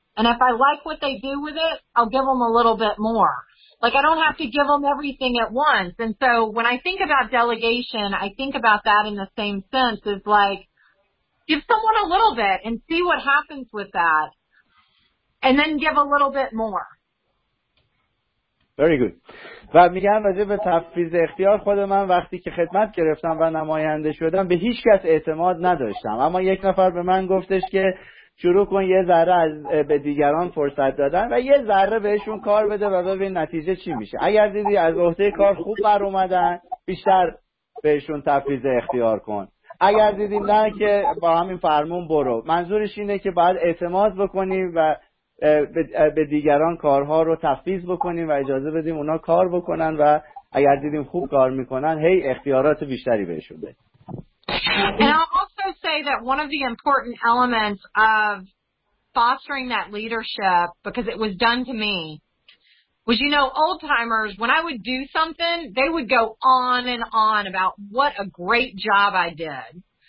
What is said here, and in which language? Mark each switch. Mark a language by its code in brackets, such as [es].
[en] And if I like what they do with it, I'll give them a little bit more. Like, I don't have to give them everything at once. And so when I think about delegation, I think about that in the same sense as, like, give someone a little bit and see what happens with that, and then give a little bit more. و Very good. [fa] و میگن راجع به تفویض اختیار خود من وقتی که خدمت گرفتم و نماینده شدم به هیچ کس اعتماد نداشتم. اما یک نفر به من گفتش که شروع کن یه ذره از به دیگران فرصت دادن و یه ذره بهشون کار بده و ببین نتیجه چی میشه. اگر دیدی از عهده کار خوب بر اومدن بیشتر بهشون تفویض اختیار کن. اگر دیدی نه که با همین فرمون برو. منظورش اینه که باید اعتماد بکنیم و به دیگران کارها رو تفویض بکنیم و اجازه بدیم اونا کار بکنن و اگر دیدیم خوب کار میکنن هی اختیارات بیشتری بهشون بده. [en] And I'll also say that one of the important elements of fostering that leadership, because it was done to me, was, you know, old timers, when I would do something, they would go on and on about what a great job I did.